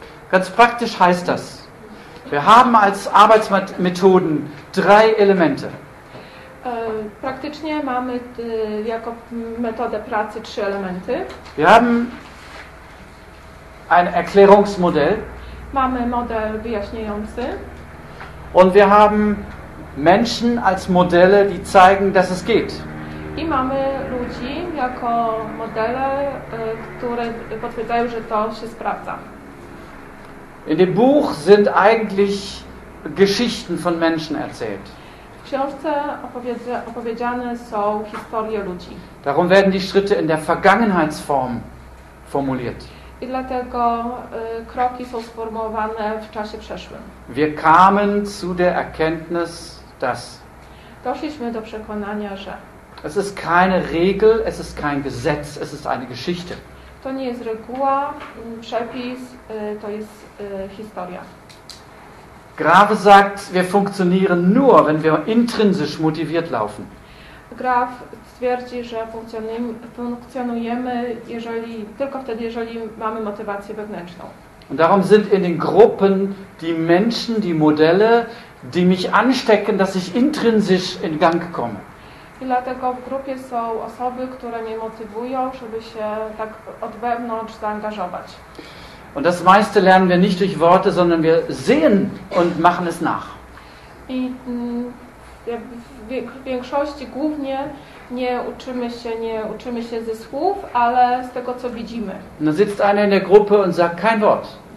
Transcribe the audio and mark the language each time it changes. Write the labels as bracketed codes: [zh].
[de] Ganz praktisch heißt das. Wir haben als Arbeitsmethoden 3 Elemente. [pl] Praktycznie mamy jako metodę pracy 3 elementy. [de] Wir haben ein Erklärungsmodell. [pl] Mamy model wyjaśniający. [de] Und wir haben Menschen als Modelle, die zeigen, dass es geht. [pl] I mamy ludzi jako modele, które potwierdzają, że to się sprawdza. [de] In dem Buch sind eigentlich Geschichten von Menschen erzählt. [pl] W książce opowiedziane są historie ludzi. [de] Darum werden die Schritte in der Vergangenheitsform formuliert. [pl] I dlatego kroki są sformułowane w czasie przeszłym. [de] Wir kamen zu der Erkenntnis, dass. [pl] Doszliśmy do przekonania, że. [de] Es ist keine Regel, es ist kein Gesetz, es ist eine Geschichte. [pl] To nie jest reguła, przepis, to jest historia. [de] Grave sagt, wir funktionieren nur, wenn wir intrinsisch motiviert laufen. [pl] Graf twierdzi, że funkcjonujemy jeżeli, tylko wtedy, jeżeli mamy motywację wewnętrzną. [de] Und darum sind in den Gruppen die Menschen, die Modelle, die mich anstecken, dass ich intrinsisch in Gang komme. [pl] I dlatego w grupie są osoby, które mnie motywują, żeby się tak od wewnątrz zaangażować. [de] Und das meiste lernen wir nicht durch Worte, sondern wir sehen und machen es nach. [pl] I w większości głównie nie uczymy się ze słów, ale z tego, co widzimy. [de] Dann sitzt einer in der Gruppe und sagt kein Wort.